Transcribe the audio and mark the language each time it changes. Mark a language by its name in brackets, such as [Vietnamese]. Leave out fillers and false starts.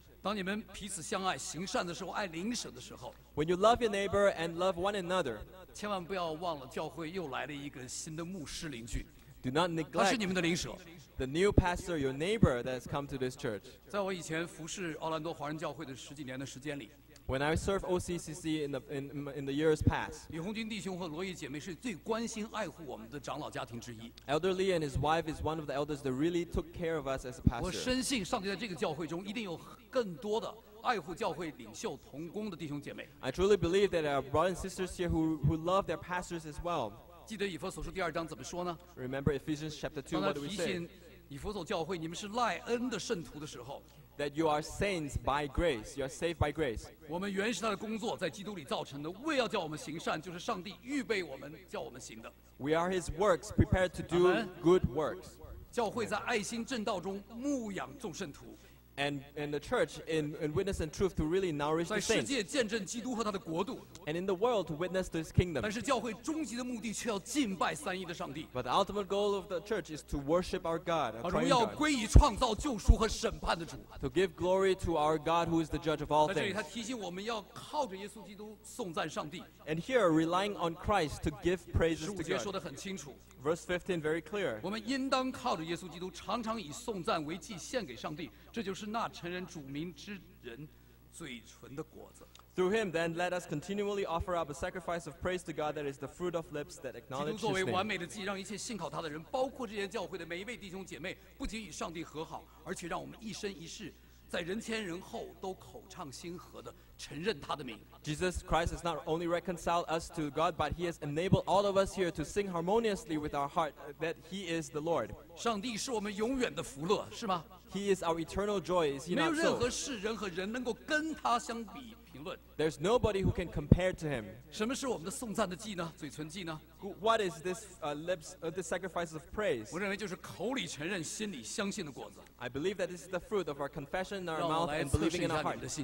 [Chinese] 当你们彼此相爱、行善的时候、爱邻舍的时候， [English] when you love your neighbor and love one another, [Chinese] 千万不要忘了教会又来了一个新的牧师邻居。 [English] Do not neglect. [Chinese] 他是你们的邻舍。 [English] The new pastor, your neighbor, that has come to this church. [Chinese] 在我以前服侍奥兰多华人教会的十几年的时间里， [English] when I served OCCC in the years past, [Chinese] 李红军弟兄和罗毅姐妹是最关心爱护我们的长老家庭之一。 [English] Elder Lee and his wife is one of the elders that really took care of us as a pastor. [Chinese] 我深信上帝在这个教会中一定有更多的爱护教会领袖同工的弟兄姐妹。 [English] I truly believe that our brothers and sisters here who love their pastors as well. [Chinese] 记得以弗所书第二章怎么说呢 [English] ？Remember Ephesians chapter 2, what do we say? [Chinese] 当他提醒以弗所教会你们是赖恩的圣徒的时候。 [English] That you are saints by grace, you are saved by grace. [Chinese] 我们原是他的工作，在基督里造成的，为要叫我们行善，就是上帝预备我们叫我们行的。 [English] We are His works, prepared to do good works. [Chinese] 教会在爱心正道中牧养众圣徒。 [English] And the church in witness and truth to really nourish the saints. [Chinese] 在世界见证基督和他的国度。 [English] And in the world to witness His kingdom. [Chinese] 但是教会终极的目的却要敬拜三一的上帝。 [English] But the ultimate goal of the church is to worship our God, our Creator. [Chinese] 要归于创造、救赎和审判的主。 [English] To give glory to our God who is the judge of all things. [Chinese] 在这里，他提醒我们要靠着耶稣基督颂赞上帝。 [English] And here, relying on Christ to give praises to God. [Chinese] 十五节说得很清楚。 [English] Verse 15, very clear. [Chinese] 我们应当靠着耶稣基督，常常以颂赞为祭献给上帝。这就是那承认主名之人嘴唇的果子。 [English] Through him, then, let us continually offer up a sacrifice of praise to God that is the fruit of lips that acknowledge his name. [Chinese] 基督作为完美的祭，让一切信靠他的人，包括这些教会的每一位弟兄姐妹，不仅与上帝和好，而且让我们一生一世，在人前人后都口唱心和的承认他的名。 [English] Jesus Christ has not only reconciled us to God, but he has enabled all of us here to sing harmoniously with our heart that he is the Lord. [Chinese] 上帝是我们永远的福乐，是吗？ [English] He is our eternal joy, is he not so? [Chinese] 没有任何事、人和人能够跟他相比评论。 [English] There's nobody who can compare to him. [Chinese] 什么是我们的颂赞的祭呢？嘴唇祭呢 [English] ？What is this lips the sacrifice of praise? [Chinese] 我认为就是口里承认、心里相信的果子。 [English] I believe that this is the fruit of our confession in our mouth and believing in our heart.